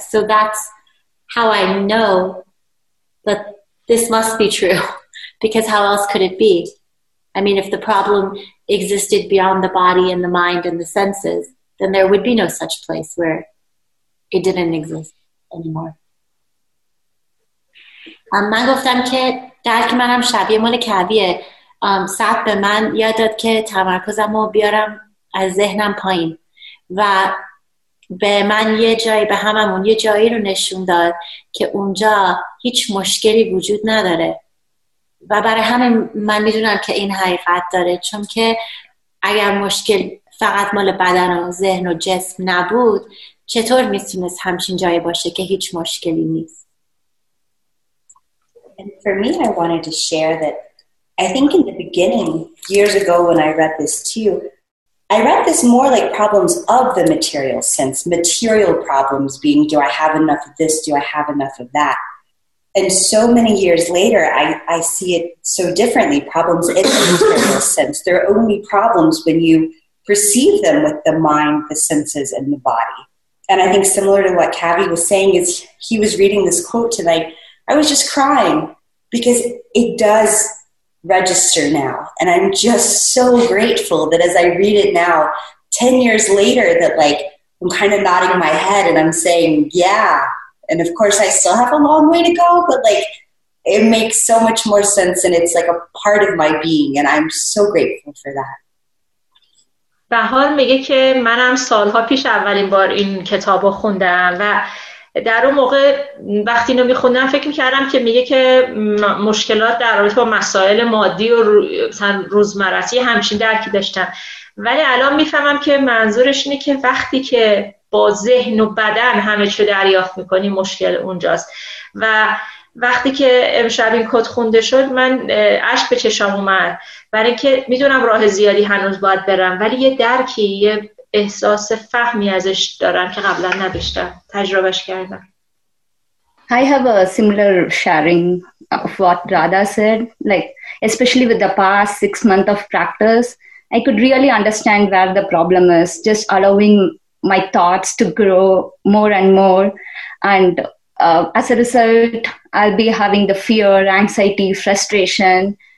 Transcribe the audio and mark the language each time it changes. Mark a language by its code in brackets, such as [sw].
[en] So that's how I know that this must be true, because how else could it be? I mean, if the problem existed beyond the body and the mind and the senses, then there would be no such place where it didn't exist anymore. [fa] من گفتم که درک منم شبیه مال کویه. سخت به من یاد داد که تمرکزمو بیارم از ذهنم پایین و به من یه جایی به هممون یه جایی رو نشون داد که اونجا هیچ مشکلی وجود نداره و برای همین من میدونم که این حقیقت داره، چون که اگر مشکل فقط مال بدن و ذهن و جسم نبود چطور میتونست همچین جایی باشه که هیچ مشکلی نیست. [en] And for me, I wanted to share that I think in the beginning, years ago when I read this too, I read this more like problems of the material sense, material problems being, do I have enough of this? Do I have enough of that? And so many years later, I see it so differently, problems in the material sense. They're only problems when you perceive them with the mind, the senses, and the body. And I think similar to what Cavi was saying is he was reading this quote tonight, I was just crying because it does register now. And I'm just so grateful that as I read it now, 10 years later, that like I'm kind of nodding my head and I'm saying, yeah. And of course, I still have a long way to go, but like it makes so much more sense and it's like a part of my being. And I'm so grateful for that. [fa] بهار میگه که منم سالها پیش اولین بار این کتابو خوندم و در اون موقع وقتی اینو میخوندم فکر میکردم که میگه که مشکلات در رابطه با مسائل مادی و روزمرتی همچین درکی داشتم، ولی الان میفهمم که منظورش اینه که وقتی که با ذهن و بدن همه چه دریافت میکنی مشکل اونجاست. و وقتی که امشب این کد خونده شد من اشک به چشم اومد، برای که میدونم راه زیادی هنوز باید برم، ولی یه درکی، یه احساس فهمی ازش دارم که قبلا نداشتم، تجربهش کردم. [en] I have a similar sharing of what Radha said, like especially with the past 6 months of practice, I could really understand where the problem is, just allowing my thoughts to grow more and more. And as a result, I'll be having the fear, anxiety, frustration.